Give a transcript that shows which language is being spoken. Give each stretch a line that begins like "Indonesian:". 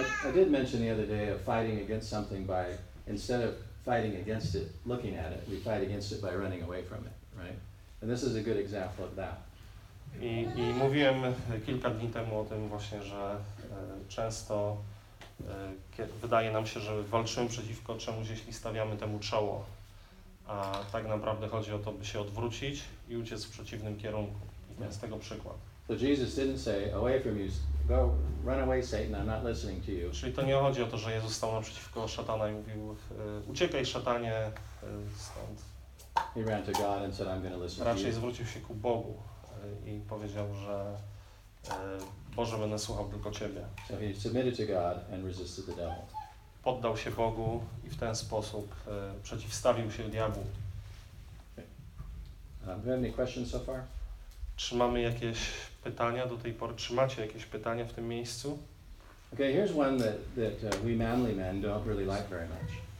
English: I did mention the other day of fighting against something by, instead of fighting against it, looking at it, we fight against it by running away from it, right? And this is a good example of that.
Polish: I mówiłem kilka dni temu o tym właśnie, że często wydaje nam się, że walczymy przeciwko czemuś, jeśli stawiamy temu czoło. A tak naprawdę chodzi o to, by się odwrócić i uciec w przeciwnym kierunku. I to jest tego przykład.
English: So Jesus didn't say, away from you, go, run away, Satan, I'm not listening to you.
Polish: Czyli to nie chodzi o to, że Jezus stał naprzeciwko szatana i mówił, uciekaj, szatanie, stąd.
English: He ran to God and said, I'm going to listen to you.
Polish: Raczej zwrócił się ku Bogu i powiedział, że Boże, będę słuchał tylko Ciebie.
English: So he submitted to God and resisted the devil.
Polish: Poddał się Bogu i w ten sposób przeciwstawił się diabłu.
English: Do you have any questions so far?
Polish: Czy mamy jakieś pytania do tej pory? Czy macie jakieś pytania w tym miejscu?
English: Okay, here's one that we manly men don't really like very much.